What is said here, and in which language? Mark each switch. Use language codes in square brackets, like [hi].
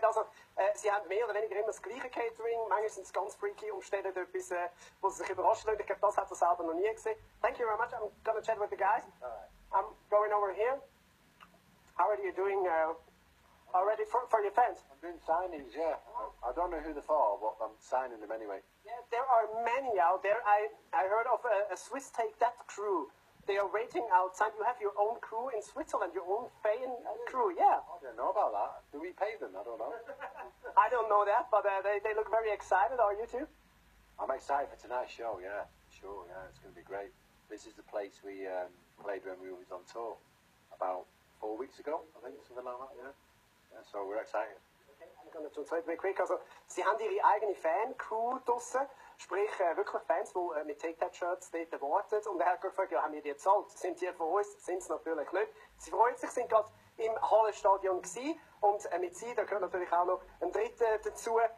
[de] Also, sie haben mehr oder weniger immer das gleiche Catering. Manchmal sind es ganz freaky Umstände, etwas, wo sie sich überraschen lassen. Ich glaube, das hat er selber noch nie gesehen. [en] Thank you very much. I'm going to chat with the guys. All right. I'm going over here. How are you doing already for your fans? I'm doing signings, yeah. I don't know who they are, but I'm signing them anyway. Yeah, there are many out there. I heard of a Swiss Take That crew. They are waiting outside. You have your own crew in Switzerland, your own fan crew, yeah. I don't know about that. Do we pay them? I don't know. I don't know that, but they look very excited, are you two? I'm excited for tonight's show, yeah. Sure, yeah, it's going to be great. This is the place we played when we was on tour about 4 weeks ago, I think, something like that, yeah. Yeah, so we're excited. Okay, I'm going to translate quick. [de] Also, sie haben ihre eigene Fan-Crew draussen. Sprich, wirklich Fans, die mit Take-That-Shirts dort warten. Und er hat gefragt, ja, haben wir die gezahlt? Sind die von uns? Sind sie natürlich nicht. Sie freuen sich, sind gerade im Hallenstadion gewesen. Und mit sie, da gehört natürlich auch noch ein Dritter dazu.